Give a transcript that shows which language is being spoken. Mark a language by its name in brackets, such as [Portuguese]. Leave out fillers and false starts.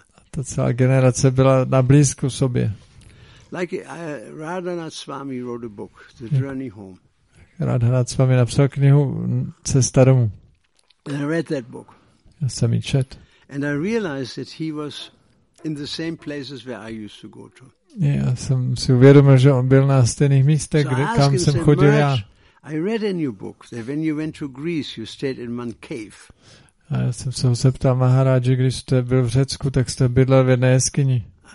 [Czech] Ta celá generace byla na blízku sobě. [English] Radhanath Swami wrote a book, The Journey Home. [Czech] Radhanath Swami napsal knihu Cesta domů. [English] And I read that book. [Czech] Já jsem ji čet. [English] And I realized that he was in the same places where I used to go to. [Czech] Já jsem si uvědomil, že on byl na stejných místech, kde, kam jsem chodil já. [English] I read a new book that when you went to Greece, you stayed in one cave. [Czech] A já jsem se ho zeptal, Maharáži, když jste byl v Řecku, tak jste bydlel v jedné jeskyni.